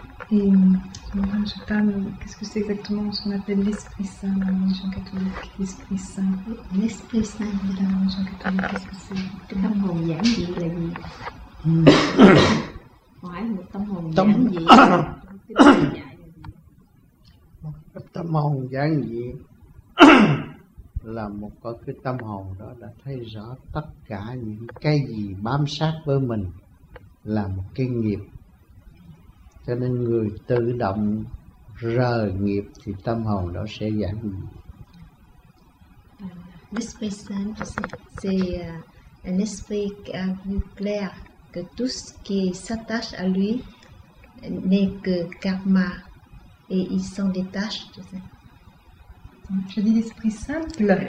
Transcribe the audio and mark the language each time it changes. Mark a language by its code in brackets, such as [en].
[fr] Et maintenant, je parle, qu'est-ce que c'est exactement ce qu'on appelle l'Esprit Saint dans la religion catholique? L'Esprit Saint. L'Esprit Saint dans la religion catholique, qu'est-ce que c'est? [vi] Tâm hồn giản dị là một có cái tâm hồn đó đã thấy rõ tất cả những cái gì bám sát với mình là một cái nghiệp. Cho nên người tự động rời nghiệp thì tâm hồn đó sẽ giản dị. [fr] L'Esprit Saint, c'est un esprit qui a vu clair que tout ce qui s'attache à lui n'est que karma. Et il s'en détache, tu sais. Donc, je dis l'esprit simple.